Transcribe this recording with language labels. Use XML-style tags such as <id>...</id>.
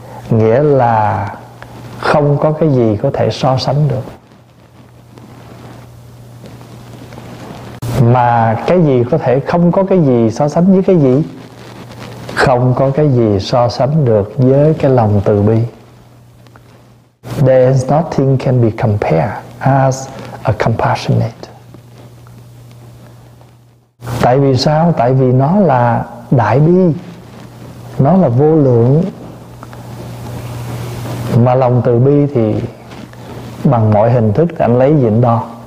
<vi>Nghĩa là không có cái gì có thể so sánh được. Mà cái gì có thể không có cái gì so sánh với cái gì? Không có cái gì so sánh được với cái lòng từ bi.</vi> <en>There is nothing can be compared as a compassionate.</en> <vi>Tại vì sao? Tại vì nó là đại bi, nó là vô lượng. Mà lòng từ bi thì bằng mọi hình thức anh lấy gì anh đo?</vi>